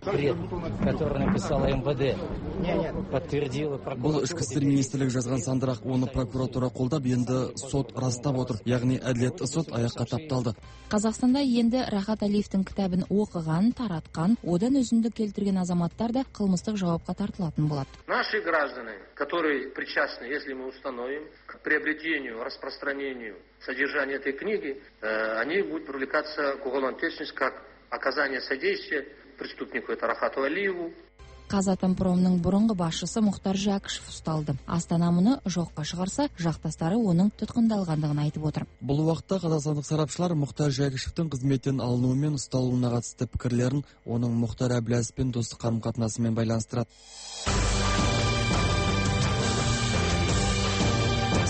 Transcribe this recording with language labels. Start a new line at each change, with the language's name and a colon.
Kazakh: Бұл ішкі істер министрлігі жазған сандырақ, оны прокуратура қолдап, енді сот растап отыр. Яғни әділет сот аяққа тапталды. Қазақстанда енді Рахат Алиевтің кітабын оқыған, таратқан, одан үзінді келтірген азаматтар да қылмыстық жауапқа тартылатын болады.
Russian: Наши граждане, которые причастны, если мы установим, к приобретению, распространению содержание этой книги, они будут привлекаться к уголовной ответственности как оказание содействия преступнику, это Рахату Алиеву.
Kazakh: Қазатомпромның бұрынғы басшысы Мұхтар Жәкішев ұсталды. Астана мұны жоққа шығарса, жақтастары оның тұтқындалғандығын айтып отыр. Бұл уақытта қазақстандық сарапшылар Мұхтар Жәкішевтің қызметтен алынуы мен ұсталуына қатысты пікірлерін оның Мұхтар Әбіләзовпен достық қарым-қатынасымен байланыстырады.